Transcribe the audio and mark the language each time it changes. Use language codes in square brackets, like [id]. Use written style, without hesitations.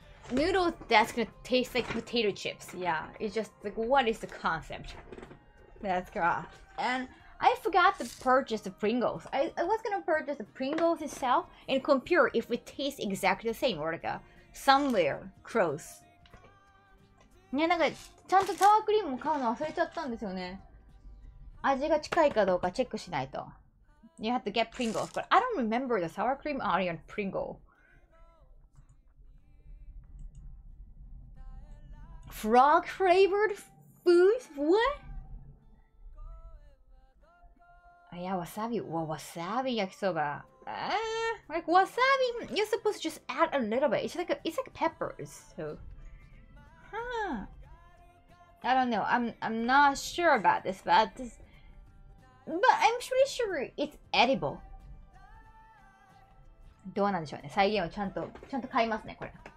[en] Noodles that's gonna taste like potato chips. Yeah, it's just like, what is the concept? That's gross. And I forgot to purchase the Pringles. I was gonna purchase the Pringles itself and compare if it tastes exactly the same, or like somewhere close. [ja] ね、なんかちゃんとサワークリームも買うの忘れちゃったんですよね。味が近いかどうかチェックしないと. [en] You have to get Pringles, but I don't remember the sour cream onion Pringle. Frog flavored food? What? Oh, yeah, wasabi. Well, wasabi yakisoba. Like wasabi, you're supposed to just add a little bit. It's like a, it's like peppers. So, I don't know. I'm not sure about this, but I'm pretty sure it's edible. [ja] どうなんでしょうね? 再現をちゃんと買いますね, これ.